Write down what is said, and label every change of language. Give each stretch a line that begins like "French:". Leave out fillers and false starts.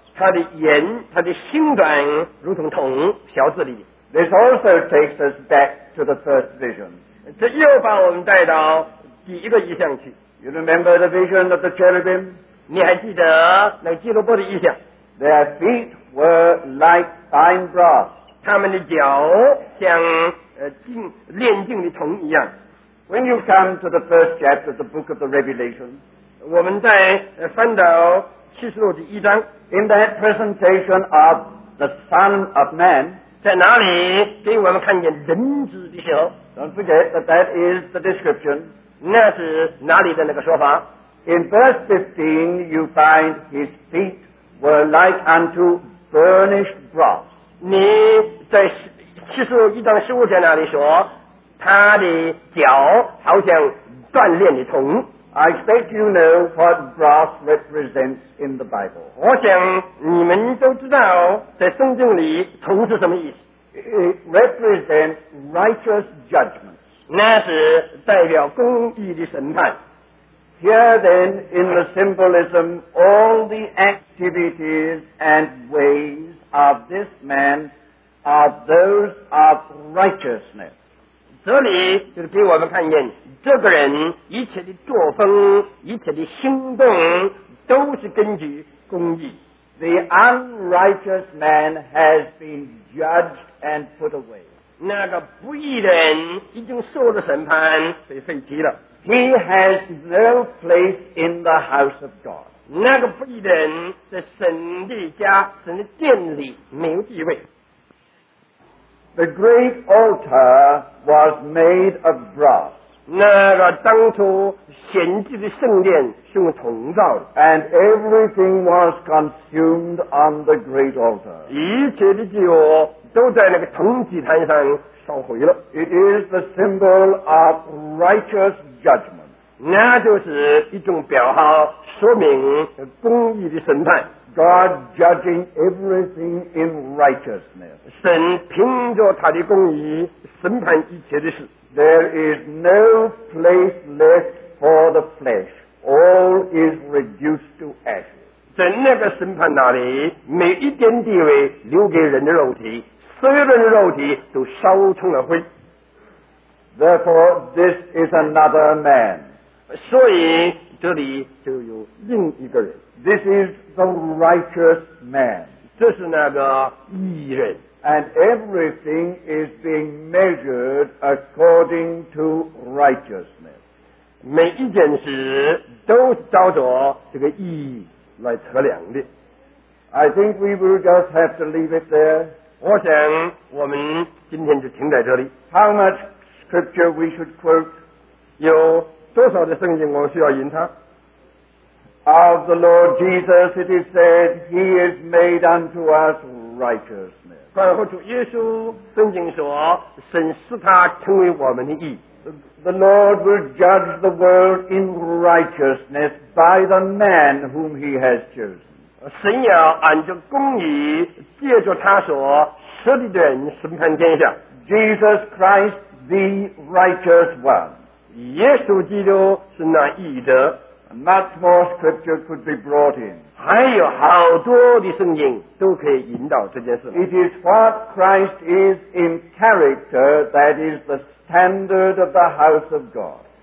Chinese: 他的眼，他的形状如同铜，瓢子里。
English: This also takes us back to the first vision.
Chinese: 这又把我们带到第一个意象去。
English: You remember the vision of the cherubim?
Chinese: 你还记得那基路伯的意象？
English: Their feet were like fine brass.
Chinese: 他们的脚像炼净的铜一样。
English: When you come to the first chapter of the book of the Revelation,
Chinese: 我们在翻到启示录第一章。
English: In that presentation of the Son of Man,
Chinese: 在哪里给我们看见人子的时候
English: ？Don't forget that that is the description.
Chinese: 那是哪里的那个说法
English: ？In verse 15, you find his feet were like unto burnished brass.
Chinese: 你在启示录一章十五节那里说，他的脚好像锻炼的铜。
English: I expect you know what brass represents in the Bible.
Chinese: 我想你们都知道在圣经里铜是什么意思。
English: It represents righteous judgments.
Chinese: 那是代表公义的审判。
English: Here then, in the symbolism, all the activities and ways of this man are those of righteousness.
Chinese: 这里就是给我们看见这个人一切的作风，一切的行动都是根据公义。
English: The unrighteous man has been judged and put away.
Chinese: 那个不义人已经受了审判，被废弃了。
English: He has no place in the house of God.
Chinese: 那个不义人在神的家、神的殿里没有地位。
English: The great altar was made of brass.
Chinese: 那个当初献祭的圣殿是用铜造的
English: ，and everything was consumed on the great altar.
Chinese: 一切的酒都在那个铜祭坛上烧毁了。
English: It is the symbol of righteous judgment.
Chinese: 那就是一种表号，说明公义的审判。
English: God judging everything in righteousness.
Chinese: 神凭着他的公义审判一切的事。
English: There is no place left for the flesh. All is reduced to ashes.
Chinese: 在那个审判那里，每一点地位留给人的肉体，所有人的肉体都烧成了灰。
English: Therefore, this is another man.
Chinese: 所以这里就有另一个人。
English: This is the righteous man.
Chinese: 这是那个义人。
English: And everything is being measured according to righteousness.
Chinese: 每一件事都照着这个义来测量的。
English: I think we will just have to leave it there.
Chinese: 我想我们今天就停在这里。
English: How much scripture we should quote?
Chinese: 有多少的圣经我需要引它？
English: Of the Lord Jesus it is said, He is made unto us righteousness.
Chinese: 关乎主耶稣，圣经说，神使他成为我们的义。
English: The Lord will judge the world in righteousness by the man whom He has chosen.
Chinese: 神要按着公义，借着他所设立的人审判天下。
English: Jesus Christ, the righteous one.
Chinese: 耶稣基督是那义的。
English: Much more scripture could be brought in.
Chinese: 还有好多的圣经都可以引导这件事。
English: It is what Christ is in character that is the standard of the house of God.